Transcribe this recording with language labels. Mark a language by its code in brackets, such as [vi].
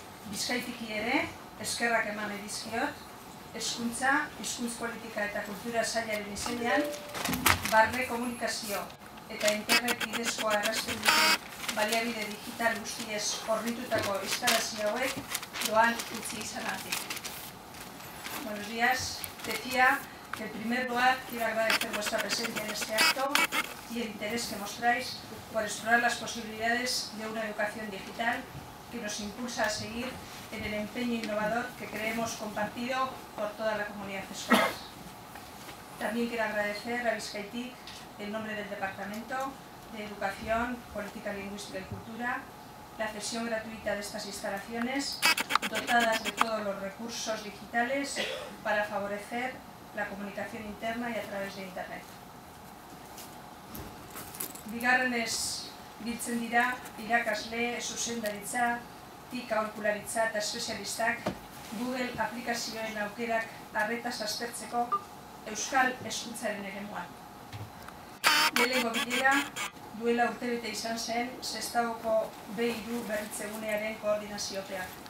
[eu] Bizkaitiki ere, eskerrak eman nahi dizkiot, eskuntza, hizkuntz politika eta kultura sailaren izenean, barne komunikazio eta internet bidezkoa errazten dute baliabide digital guztiez hornitutako instalazio hauek doan utzi izanatik. [es] Buenos días, decía que en primer lugar quiero agradecer vuestra presencia en este acto y el interés que mostráis por explorar las posibilidades de una educación digital que nos impulsa a seguir en el empeño innovador que creemos compartido por toda la comunidad escolar. También quiero agradecer a Bizkaitik el nombre del Departamento de Educación, Política Lingüística y Cultura, la cesión gratuita de estas instalaciones, dotadas de todos los recursos digitales para favorecer la comunicación interna y a través de Internet. [eu] Bigarrenez biltzen dira irakasle, zuzendaritza, TIC aholkularitza eta espezialistak Google aplikazioen aukerak arretaz aztertzeko Euskal Hezkuntzaren eremuan. Lehenengo bilera duela urtebete izan zen Sestaoko B3 berritzegunearen koordinaziopea.